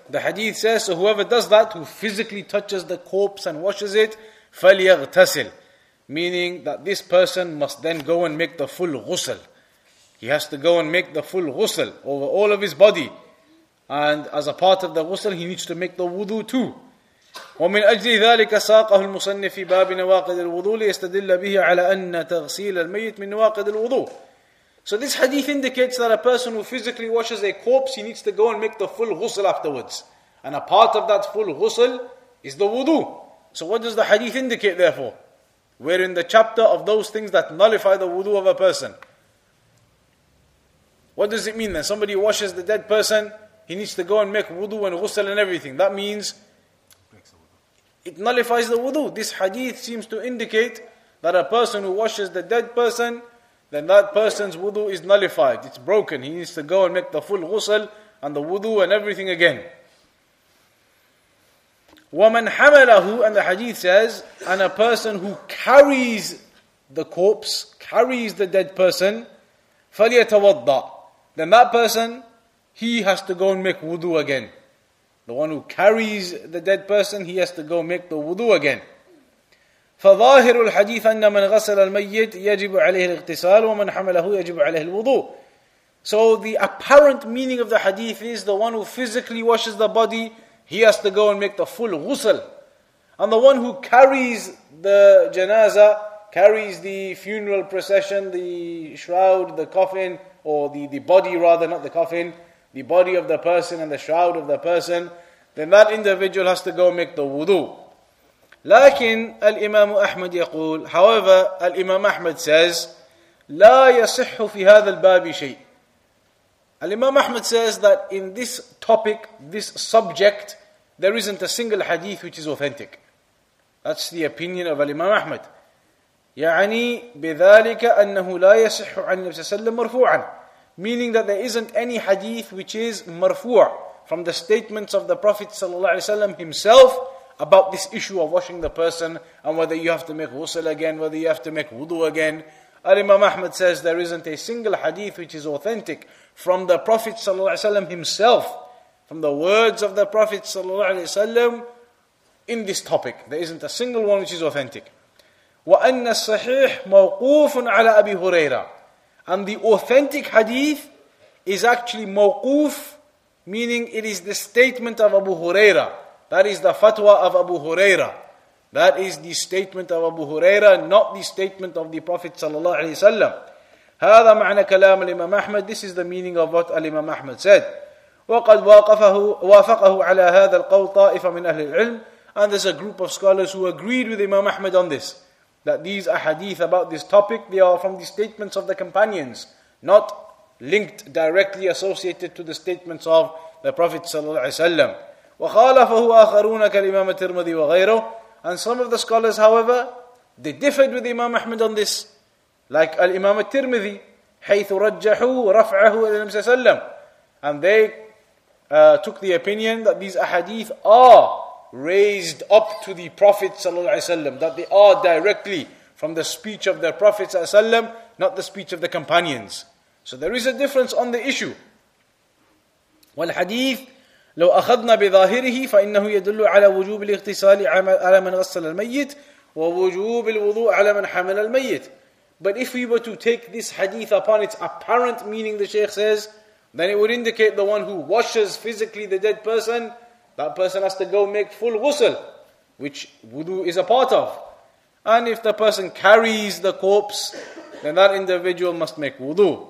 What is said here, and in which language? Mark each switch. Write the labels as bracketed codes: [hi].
[en] The hadith says, so whoever does that, who physically touches the corpse and washes it, [ar] فَلْيَغْتَسِلْ. [en] Meaning that this person must then go and make the full ghusl. He has to go and make the full ghusl over all of his body. And as a part of the ghusl, he needs to make the wudu too. [ar] ومن أجل ذلك ساقه المصنف في باب نواقض الوضوء ليستدل به على أن تغسيل الميت من نواقض الوضوء. [en] So this hadith indicates that a person who physically washes a corpse, he needs to go and make the full ghusl afterwards. And a part of that full ghusl is the wudu. So what does the hadith indicate therefore? We're in the chapter of those things that nullify the wudu of a person. What does it mean then? Somebody washes the dead person, he needs to go and make wudu and ghusl and everything. That means it nullifies the wudu. This hadith seems to indicate that a person who washes the dead person, then that person's wudu is nullified. It's broken. He needs to go and make the full ghusl and the wudu and everything again. [ar] وَمَنْ حَمَلَهُ. [en] And the hadith says, and a person who carries the corpse, carries the dead person, [ar] فَلْيَتَوَضَّعُ. [en] Then that person, he has to go and make wudu again. The one who carries the dead person, he has to go make the wudu again. [ar] فظاهر الحديث أن من غسل الميت يجب عليه الاغتسال ومن حمله يجب عليه الوضوء. [en] So the apparent meaning of the hadith is the one who physically washes the body, he has to go and make the full ghusl. And the one who carries the janaza, carries the funeral procession, the shroud, the coffin, or the body rather, not the coffin, the body of the person and the shroud of the person, then that individual has to go make the wudu. [ar] لكن الإمام أحمد يقول. [en] However, الإمام أحمد says, [ar] لا يصح في هذا الباب شيء. [en] الإمام أحمد says that in this topic, this subject, there isn't a single hadith which is authentic. That's the opinion of الإمام أحمد. [ar] يعني بذلك أنه لا يصح عن النبي صلى الله عليه وسلم مرفوعا. [en] Meaning that there isn't any hadith which is marfu' from the statements of the Prophet ﷺ himself about this issue of washing the person and whether you have to make ghusl again, whether you have to make wudu again. Al-Imam Ahmad says there isn't a single hadith which is authentic from the Prophet ﷺ himself, from the words of the Prophet ﷺ in this topic. There isn't a single one which is authentic. [ar] وَأَنَّ الصَّحِيحُ مَوْقُوفٌ عَلَى أَبِي هُرَيْرَةَ. [en] And the authentic hadith is actually mawquf, meaning it is the statement of Abu Huraira. That is the fatwa of Abu Huraira. That is the statement of Abu Huraira, not the statement of the Prophet sallallahu alaihi wasallam. [ar] هذا معنى كلام الإمام أحمد. [en] This is the meaning of what الإمام أحمد said. [ar] وقد وافقه على هذا القول طائفة من أهل العلم. [en] And there's a group of scholars who agreed with Imam Ahmad on this. That these are hadith about this topic, they are from the statements of the companions, not linked directly associated to the statements of the Prophet ﷺ. [ar] وَخَالَفَهُ آخَرُونَ كَالْإِمَامَ تِرْمَذِي وَغَيْرُ. [en] And some of the scholars, however, they differed with Imam Ahmad on this, like Al-Imam al-Tirmidhi, [ar] حَيْثُ رَجَّحُوا رَفْعَهُ وَلَلَمْسَسَلَّمْ. [en] And they took the opinion that these ahadith are raised up to the Prophet ﷺ, that they are directly from the speech of the Prophet ﷺ, not the speech of the companions. So there is a difference on the issue. [ar] والحديث لو أخذنا بظاهره فإنه يدل على وجوب الاغتسال على من غسل الميت ووجوب الوضوء على من حمل الميت. [en] But if we were to take this hadith upon its apparent meaning, the Shaykh says, then it would indicate the one who washes physically the dead person, that person has to go make full ghusl, which wudu is a part of. And if the person carries the corpse, then that individual must make wudu.